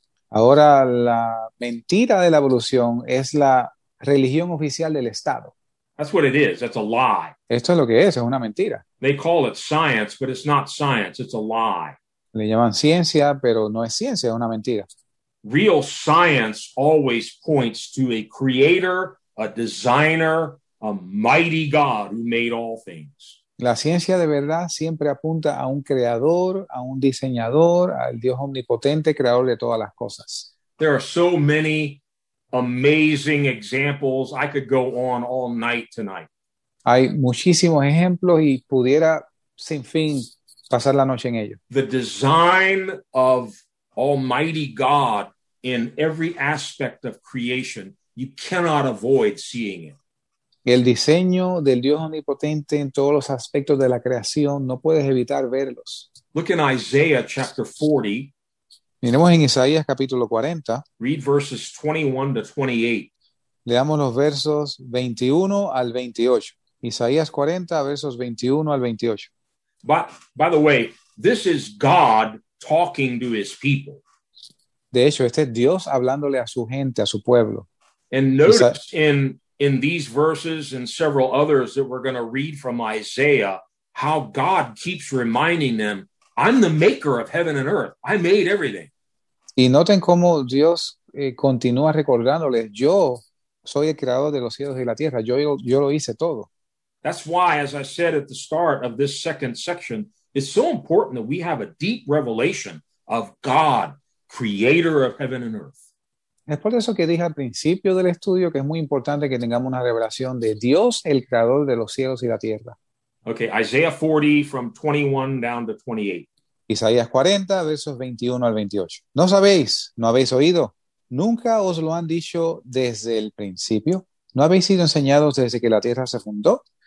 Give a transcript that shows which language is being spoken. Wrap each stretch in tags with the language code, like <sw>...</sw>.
<es>Ahora, la mentira de la evolución es la religión oficial del Estado.</es> <en>That's what it is. That's a lie.</en> <es>Esto es lo que es una mentira.</es> <en>They call it science, but it's not science. It's a lie.</en> <es>Le llaman ciencia, pero no es ciencia, es una mentira.</es> <en>Real science always points to a creator, a designer, a mighty God who made all things.</en> <es>La ciencia de verdad siempre apunta a un creador, a un diseñador, al Dios omnipotente, creador de todas las cosas.</es> <en>There are so many amazing examples. I could go on all night tonight.</en> <es>Hay muchísimos ejemplos y pudiera sin fin pasar la noche en ello.</es> <en>The design of Almighty God in every aspect of creation, you cannot avoid seeing it.</en> <es>El diseño del Dios omnipotente en todos los aspectos de la creación, no puedes evitar verlos.</es> <en>Look in Isaiah chapter 40.</en> <es>Miremos en Isaías capítulo 40.</es> <en>Read verses 21 to 28.</en> <es>Leamos los versos 21 al 28. Isaías 40, versos 21 al 28.</es> <en>By the way, this is God talking to his people.</en> <es>De hecho, este es Dios hablándole a su gente, a su pueblo.</es> <en>And notice in these verses and several others that we're going to read from Isaiah, how God keeps reminding them, I'm the maker of heaven and earth. I made everything.</en> <es>Y noten cómo Dios continúa recordándoles, yo soy el creador de los cielos y la tierra. Yo lo hice todo.</es> <en>That's why, as I said at the start of this second section, it's so important that we have a deep revelation of God, creator of heaven and earth.</en> <es>Es por eso que dije al principio del estudio que es muy importante que tengamos una revelación de Dios, el creador de los cielos y la tierra.</es> <en>Okay, Isaiah 40 from 21 down to 28.</en> <es>Isaías 40, versos 21 al 28. ¿No sabéis? ¿No habéis oído? ¿Nunca os lo han dicho desde el principio? ¿No habéis sido enseñados desde que la tierra se fundó?</es>